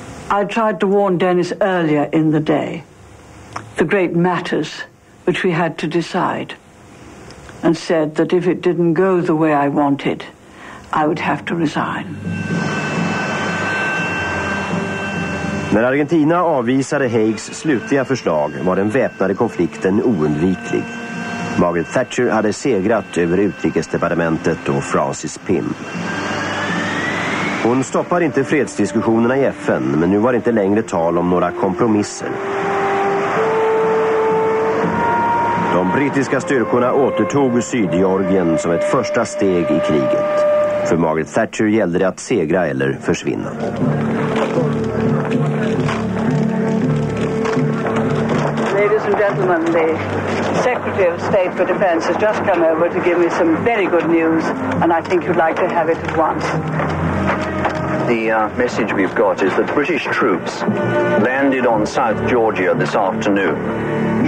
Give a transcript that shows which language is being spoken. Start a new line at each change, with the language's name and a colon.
English: I tried to warn Dennis earlier in the day, the great matters which we had to decide, and said that if it didn't go the way I wanted, I would have to resign.
Swedish: När Argentina avvisade Haigs slutliga förslag var den väpnade konflikten oundviklig. Margaret Thatcher hade segrat över utrikesdepartementet och Francis Pym. Hon stoppade inte fredsdiskussionerna i FN, men nu var det inte längre tal om några kompromisser. De brittiska styrkorna återtog Sydgeorgien som ett första steg i kriget. För Margaret Thatcher gällde det att segra eller försvinna.
English: Gentlemen, the Secretary of State for Defense has just come over to give me some very good news, and I think you'd like to have it at once. The message we've got is that British troops landed on South Georgia this afternoon.